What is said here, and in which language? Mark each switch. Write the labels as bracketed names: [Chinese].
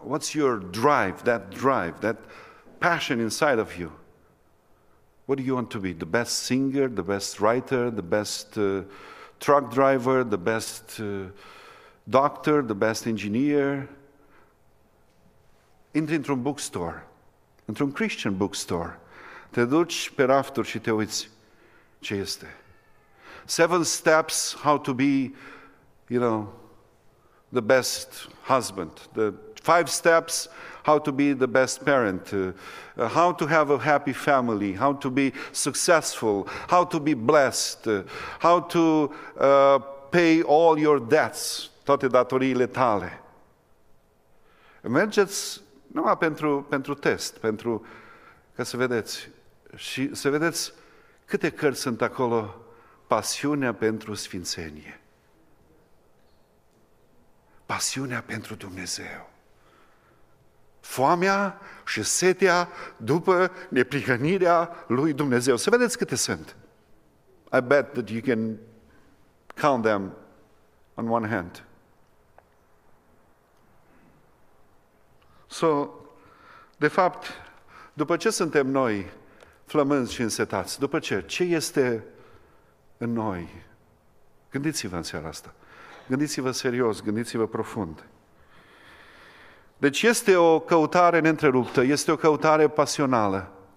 [English] What's your drive, that passion inside of you? What do you want to be? The best singer, the best writer, the best truck driver, the best doctor, the best engineer? [Romanian] Intri într-un bookstore, într-un Christian bookstore, te duci pe rafturi și te uiți ce este. [English] Seven steps how to be, you know, the best husband, the five steps how to be the best parent, how to have a happy family, how to be successful, how to be blessed, how to pay all your debts, [Romanian] toate datoriile tale. Mergeți numai pentru test, pentru ca să vedeți și să vedeți câte cărți sunt acolo, pasiunea pentru sfințenie. Pasiunea pentru Dumnezeu. Foamea și setea după neprihănirea lui Dumnezeu. Să vedeți câte sunt. [English] I bet that you can count them on one hand. [Romanian] So, de fapt, după ce suntem noi flămânzi și însetați, după ce? Ce este în noi? Gândiți-vă în seara asta. Gândiți-vă serios, gândiți-vă profund. Deci este o căutare neîntreruptă, este o căutare pasională.